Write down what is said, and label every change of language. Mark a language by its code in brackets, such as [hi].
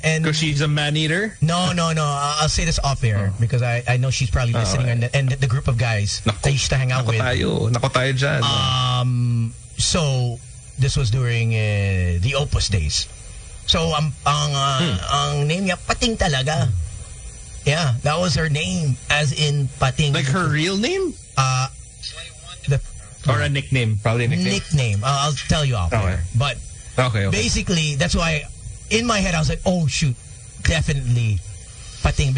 [en] because she's a man eater. No. I'll say this off air because I know she's probably listening and the group of guys that you used to hang out with. [tl] Nako tayo dyan. [en] So this was during the Opus days. [tl] So ang name niya Pating talaga. [en] Yeah, that was her name, as in Pating. Like her real name? Or a nickname? Probably a nickname. I'll tell you off air. But okay. Basically, that's why. In my head, I was like, oh, shoot, definitely pating.